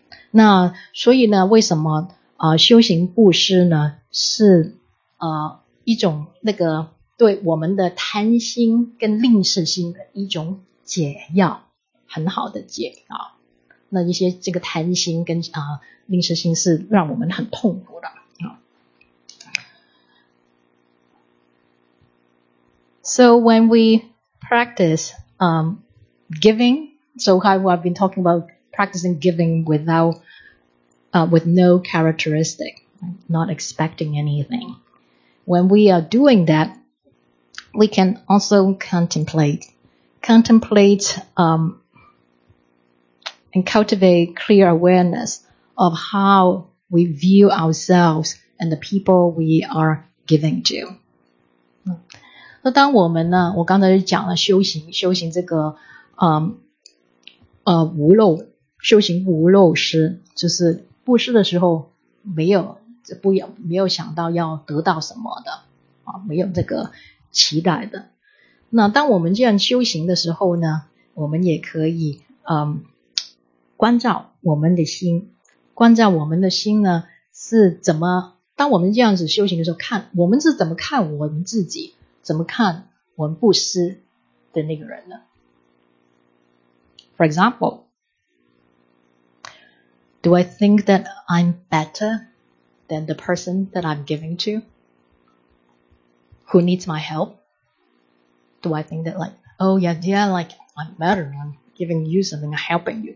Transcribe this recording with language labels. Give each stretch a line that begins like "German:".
Chinese: 那所以呢，为什么修行布施呢，是一种那个对我们的贪心跟吝啬心的一种解药，很好的解药。那一些这个贪心跟吝啬心是让我们很痛苦的。
English: So when we practice giving, so I've been talking about practicing giving without, with no characteristic, not expecting anything. When we are doing that, we can also contemplate and cultivate clear awareness of how we view ourselves and the people we are giving to.
Chinese: 那当我们呢，我刚才就讲了修行这个无漏，修行无漏施，就是布施的时候没有想到要得到什么的啊，没有这个期待的。那当我们这样修行的时候呢，我们也可以关照我们的心，关照我们的心呢是怎么，当我们这样子修行的时候，看我们是怎么看我们自己，怎么看我们布施的那个人呢？
English: For example, do I think that I'm better than the person that I'm giving to? Who needs my help? Do I think that like, oh yeah, like I'm better, I'm giving you something, I'm helping you.